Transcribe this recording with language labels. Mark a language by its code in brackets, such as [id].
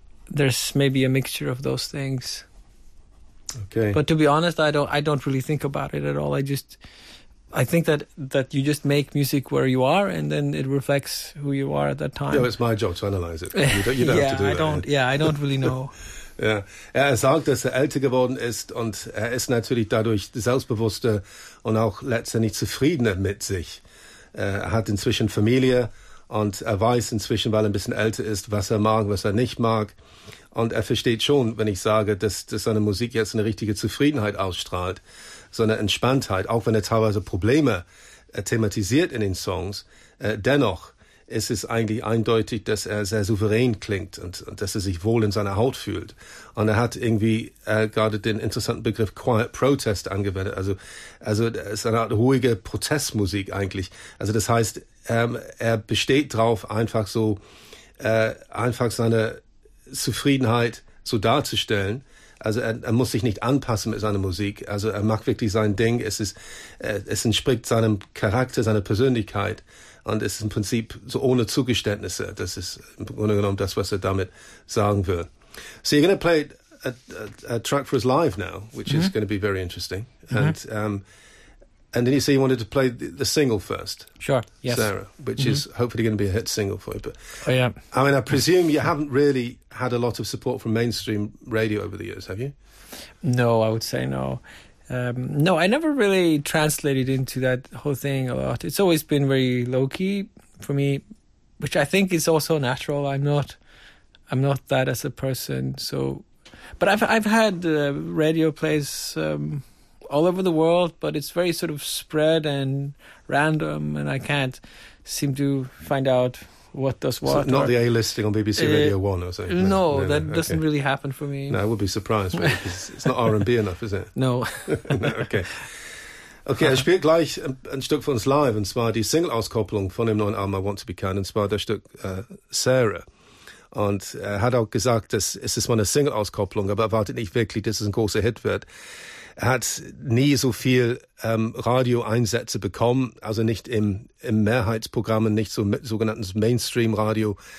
[en] There's maybe a mixture of those things. Okay. But to be honest, I don't really think about it at all. I think that you just make music where you are, and then it reflects who you are at that time. Yeah, it's my job to analyze it. You don't yeah, have to do I that. Don't, yeah, I don't really know. [de] Ja, er sagt, dass er älter geworden ist und er ist natürlich dadurch selbstbewusster und auch letztendlich zufriedener mit sich. Er hat inzwischen Familie und er weiß inzwischen, weil er ein bisschen älter ist, was er mag, was er nicht mag. Und er versteht schon, wenn ich sage, dass seine Musik jetzt eine richtige Zufriedenheit ausstrahlt, so eine Entspanntheit, auch wenn er teilweise Probleme thematisiert in den Songs, dennoch ist es eigentlich eindeutig, dass er sehr souverän klingt und dass er sich wohl in seiner Haut fühlt. Und er hat irgendwie gerade den interessanten Begriff Quiet Protest angewendet. Also es ist eine Art ruhige Protestmusik eigentlich. Also das heißt, er besteht drauf, einfach so einfach seine Zufriedenheit so darzustellen. Also er muss sich nicht anpassen mit seiner Musik. Also er macht wirklich sein Ding. Es entspricht seinem Charakter, seiner Persönlichkeit. Und es ist im Prinzip so ohne Zugeständnisse. Das ist im Grunde genommen das, was er damit sagen will. [en] So you're going to play a track for us live now, which is going to be very interesting. Mm-hmm. And then you say you wanted to play the single first. Sure, yes. Sarah, which is hopefully going to be a hit single for you. But, oh, yeah. I mean, I presume you haven't really had a lot of support from mainstream radio over the years, have you? No, I would say no. No, I never really translated into that whole thing a lot. It's always been very low-key for me, which I think is also natural. I'm not that as a person. So, but I've had radio plays all over the world, but it's very sort of spread and random, and I can't seem to find out what does what. So not the A-listing on BBC Radio 1 or something? No, doesn't really happen for me. No, I would be surprised, really, because it's not R&B enough, is it? No. Okay. [de] Okay, er spielt gleich ein Stück von uns live, und zwar die Single-Auskopplung von dem neuen Album I Want to Be Kind, und zwar das Stück Sarah. Und er hat auch gesagt, dass es ist mal eine Single-Auskopplung, aber erwartet nicht wirklich, dass es ein großer Hit wird. Er hat nie so viel Radioeinsätze bekommen, also nicht im Mehrheitsprogramm, nicht so mit sogenannten Mainstream-Radio.